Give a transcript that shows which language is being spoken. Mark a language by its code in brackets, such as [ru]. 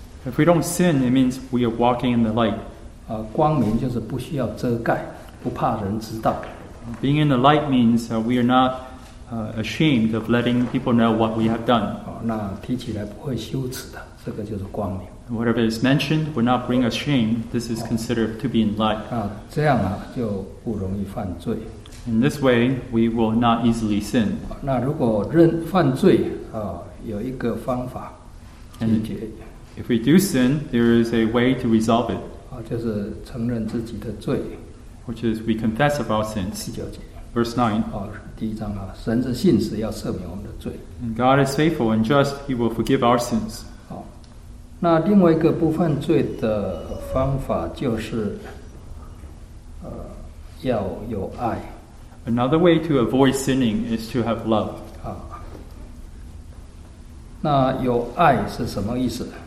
[en] If we don't sin, it means we are walking in the light. [zh] 光明就是不需要遮盖，不怕人知道。 [en] Being in the light means we are not ashamed of letting people know what we have done. [zh] 那提起来不会羞耻的，这个就是光明。 [en] Whatever is mentioned would not bring us shame. This is considered to be in light. [zh] 这样就不容易犯罪。 [en] In this way, we will not easily sin. [zh] 那如果认犯罪有一个方法解决。 [en] If we do sin, there is a way to resolve it. [zh] 就是承认自己的罪。 [en] which is we confess of our sins. [zh] 第9节 [en] Verse 9. [zh] 第一章啊, 神是信实, 要赦免我们的罪。 [en] And God is faithful and just, He will forgive our sins. [zh] 那另外一个部分罪的方法就是, 要有爱。 [en] Another way to avoid sinning is to have love. [zh] 那有爱是什么意思?